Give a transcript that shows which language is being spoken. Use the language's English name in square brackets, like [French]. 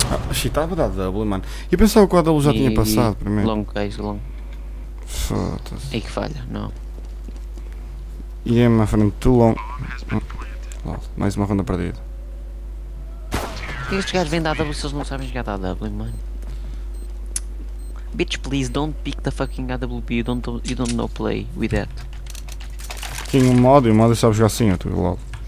[Portuguese] Achei, estava a dar W, mano. E pensava que o AW já tinha passado primeiro. Longo, guys, longo. Foda-se. Aí que falha, não. E é uma frente, [English] too long. [Portuguese] Oh, mais uma ronda perdida. Estes gajos vêm da AW se eles não sabem jogar da AW, mano. [English] Bitch, please don't pick the fucking AWP. You don't know play with that. [Portuguese] Tem um mod e o mod sabe jogar assim, eu estou logo.